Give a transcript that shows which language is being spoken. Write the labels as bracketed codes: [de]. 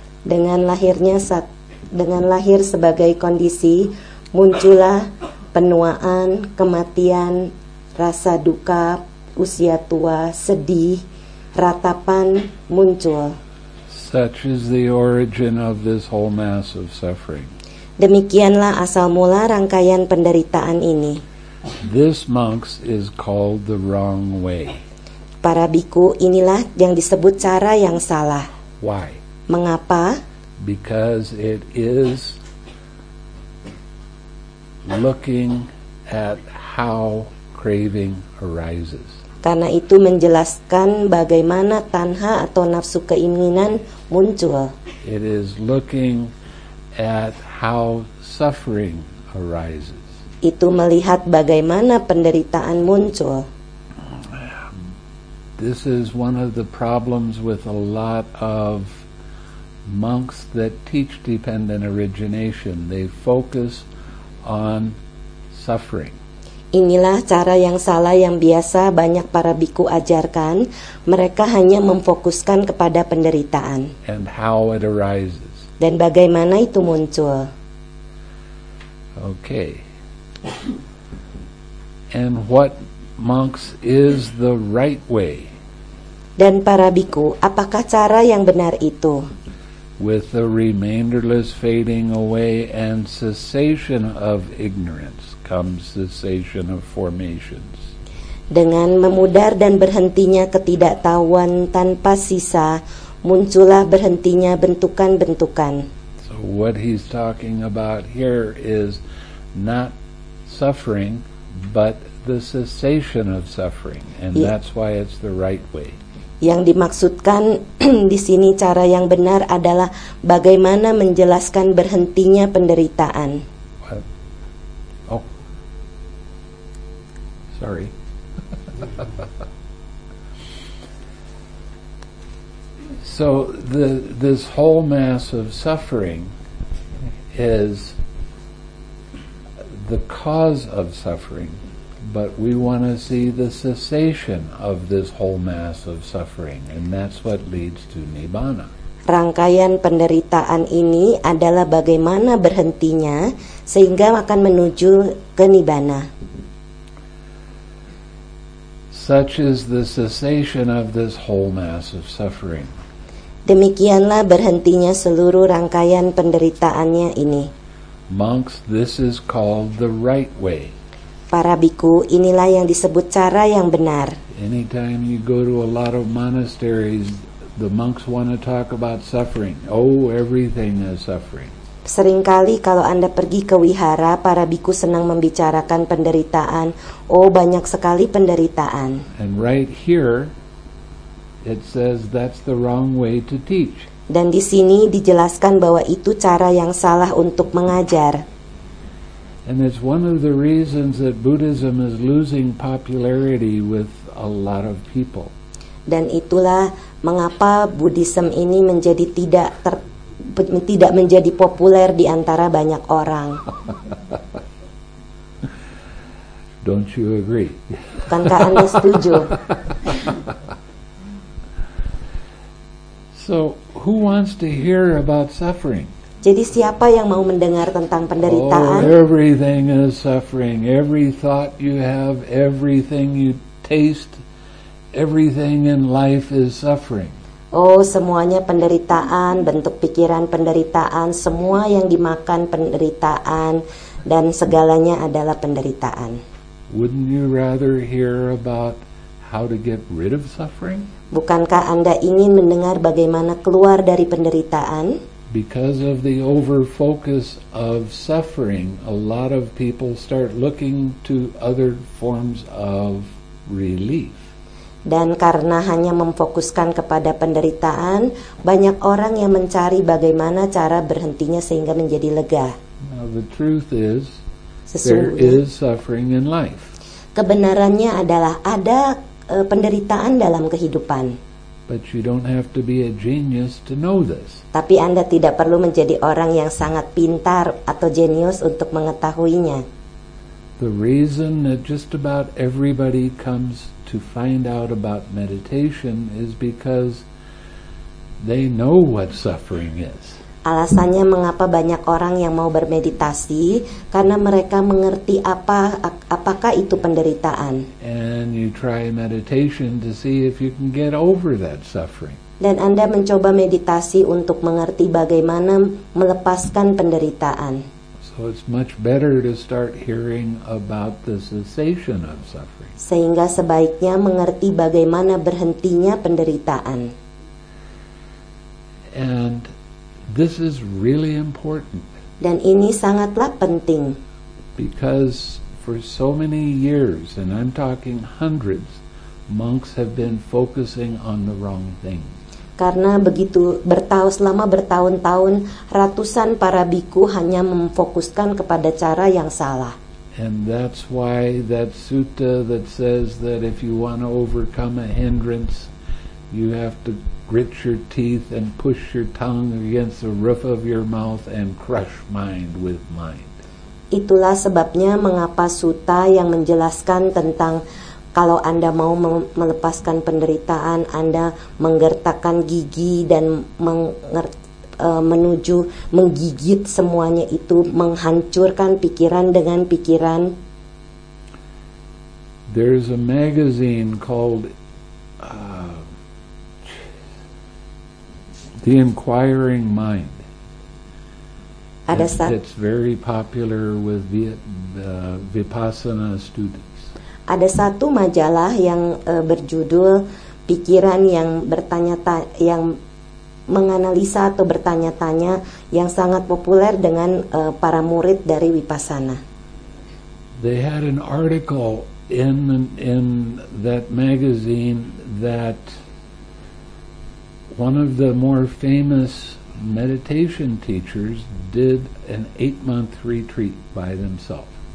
[id] Dengan lahir sebagai kondisi, muncullah penuaan, kematian, rasa duka, usia tua, sedih, ratapan muncul. [en] Such is the origin of this whole mass of suffering. [id] Demikianlah asal mula rangkaian penderitaan ini. [en] This, monks, is called the wrong way. [id] Para bhikkhu, inilah yang disebut cara yang salah. [en] Why? [id] Mengapa? [en] Because it is looking at how craving arises. [id] Karena itu menjelaskan bagaimana tanha atau nafsu keinginan muncul. [en] It is looking at how suffering arises. [id] Itu melihat bagaimana penderitaan muncul. [en] This is one of the problems with a lot of monks that teach dependent origination. They focus on suffering. [id] Inilah cara yang salah yang biasa banyak para biku ajarkan. Mereka hanya memfokuskan kepada penderitaan. [en] And how it arises. [id] Dan bagaimana itu muncul. [en] Okay. And what, monks, is the right way? [id] Dan para biku, apakah cara yang benar itu? [en] With the remainderless fading away and cessation of ignorance comes cessation of formations. [id] Dengan memudar dan berhentinya ketidaktahuan tanpa sisa, muncullah berhentinya bentukan-bentukan. [en] So what he's talking about here is not suffering, but the cessation of suffering, and that's why it's the right way. [id] Yang dimaksudkan di sini cara yang benar adalah bagaimana menjelaskan berhentinya penderitaan. [en] What? Oh, sorry. So this whole mass of suffering is the cause of suffering, but we want to see the cessation of this whole mass of suffering, and that's what leads to nibbana. [id] Rangkaian penderitaan ini adalah bagaimana berhentinya sehingga akan menuju ke nibbana. [en] Such is the cessation of this whole mass of suffering. [id] Demikianlah berhentinya seluruh rangkaian penderitaannya ini. [en] Monks, this is called the right way. [id] Para biku, inilah yang disebut cara yang benar. [en] Anytime you go to a lot of monasteries, the monks want to talk about suffering. Oh, everything is suffering. [id] Seringkali kalau Anda pergi ke wihara, para biku senang membicarakan penderitaan. Oh, banyak sekali penderitaan. [en] And right here, it says that's the wrong way to teach. [id] Dan di sini dijelaskan bahwa itu cara yang salah untuk mengajar. [en] And it's one of the reasons that Buddhism is losing popularity with a lot of people. [id] Dan itulah mengapa Buddhism ini menjadi tidak menjadi populer di antara banyak orang. [en] Don't you agree? [id] Bukankah Anda setuju? [en] So, who wants to hear about suffering? [id] Jadi siapa yang mau mendengar tentang penderitaan? [en] Oh, everything is suffering. Every thought you have, everything you taste, everything in life is suffering. [id] Oh, semuanya penderitaan, bentuk pikiran penderitaan, semua yang dimakan penderitaan, dan segalanya adalah penderitaan. [en] Wouldn't you rather hear about how to get rid of suffering? [id] Bukankah Anda ingin mendengar bagaimana keluar dari penderitaan? [en] Because of the overfocus of suffering, a lot of people start looking to other forms of relief. [id] Dan karena hanya memfokuskan kepada penderitaan, banyak orang yang mencari bagaimana cara berhentinya sehingga menjadi lega. [en] Now the truth is, there is suffering in life. [id] Kebenarannya adalah ada penderitaan dalam kehidupan. [en] But you don't have to be a genius to know this. [id] Tapi Anda tidak perlu menjadi orang yang sangat pintar atau genius untuk mengetahuinya. [en] The reason that just about everybody comes to find out about meditation is because they know what suffering is. [id] Alasannya mengapa banyak orang yang mau bermeditasi karena mereka mengerti apakah itu penderitaan. [en] And you try meditation to see if you can get over that suffering. [id] Dan Anda mencoba meditasi untuk mengerti bagaimana melepaskan penderitaan. [en] So it's much better to start hearing about the cessation of suffering. [id] Sehingga sebaiknya mengerti bagaimana berhentinya penderitaan. [en] And this is really important. [id] Dan ini sangatlah penting. [en] Because for so many years, and I'm talking hundreds, monks have been focusing on the wrong things. [id] Karena begitu bertahun-tahun, ratusan para bhikkhu hanya memfokuskan kepada cara yang salah. [en] And that's why that sutta that says that if you want to overcome a hindrance, you have to grit your teeth and push your tongue against the roof of your mouth and crush mind with mind. [id] Itulah sebabnya mengapa sutta yang menjelaskan tentang kalau Anda mau melepaskan penderitaan, Anda menggertakkan gigi dan menuju menggigit semuanya itu, menghancurkan pikiran dengan pikiran. [en] There's a magazine called The Inquiring Mind. It's very popular with Vipassana students. [id] Ada satu majalah yang berjudul Pikiran yang yang menganalisa atau bertanya-tanya, yang sangat populer dengan para murid dari Vipassana. [en] They had an article in that magazine that one of the more famous meditation teachers did an 8-month retreat by themselves.